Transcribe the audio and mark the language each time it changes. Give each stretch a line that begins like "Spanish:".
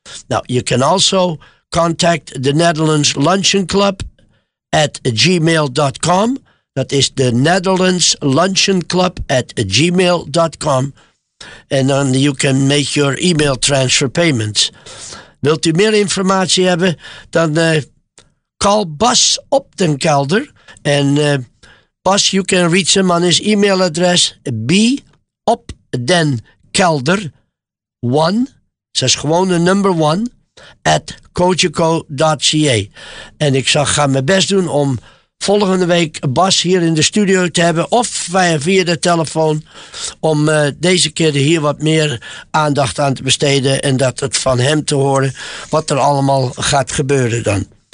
English: Now, you can also contact the Netherlands Luncheon Club at gmail.com. That is the Netherlands Luncheon Club at gmail.com. And then you can make your email transfer payments.
Dutch: Wilt u meer informatie hebben? Dan call Bas op den Kelder.
English: And Bas, you can reach him on his email address bopdenkelder1.
Dutch: Zes gewoon de number 1 at cogeco.ca. En ik zal gaan mijn best doen om volgende week Bas hier in de studio te hebben, of via de telefoon, om deze keer hier wat meer aandacht aan te besteden en dat het van hem te horen wat er allemaal gaat gebeuren dan.